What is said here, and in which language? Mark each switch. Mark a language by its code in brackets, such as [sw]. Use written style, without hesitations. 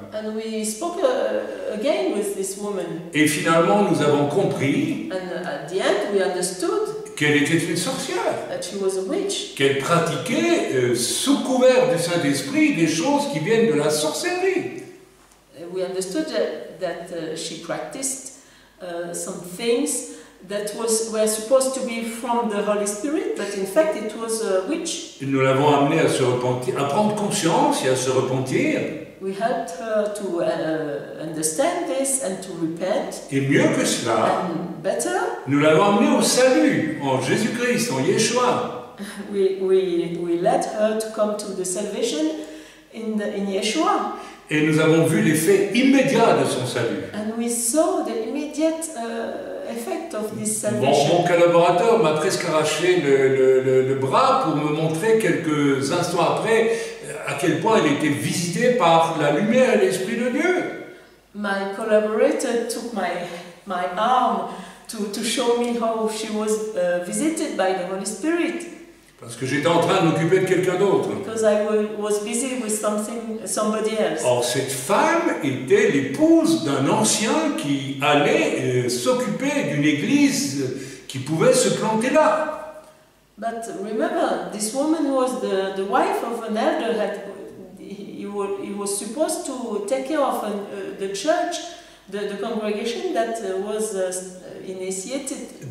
[en] And we spoke again with this woman. [fr] Et finalement, nous avons compris. [en] And at the end, we understood. [fr] Qu'elle était une sorcière. [en] That she was a witch. [fr] Qu'elle pratiquait sous couvert du Saint-Esprit des choses qui viennent de la sorcellerie. [en] We understood that she practiced some things that were supposed to be from the Holy Spirit, but in fact it was a witch. [fr] Et nous l'avons amenée à se repentir, à prendre conscience et à se repentir. [en] We helped her to understand this and to repent. [fr] Et mieux que cela, [en] better, [fr] nous l'avons amenée au salut en Jésus-Christ, en Yeshua. [en] We led her to come to the salvation in Yeshua. [fr] Et nous avons vu l'effet immédiat de son salut. [en] And we saw the immediate effect of this salvation. [fr] Mon collaborateur m'a presque arraché le bras pour me montrer quelques instants après à quel point il était visité par la lumière et l'Esprit de Dieu. [en] My collaborator took my arm to show me how she was visited by the Holy Spirit. [fr] Parce que j'étais en train de m'occuper de quelqu'un d'autre. [en] Because I was busy with something, somebody else. [fr] Or, cette femme était l'épouse d'un ancien qui allait s'occuper d'une église qui pouvait se planter là. [en] But remember, this woman was the wife of an elder that he was supposed to take care of the church, the congregation that was initiated.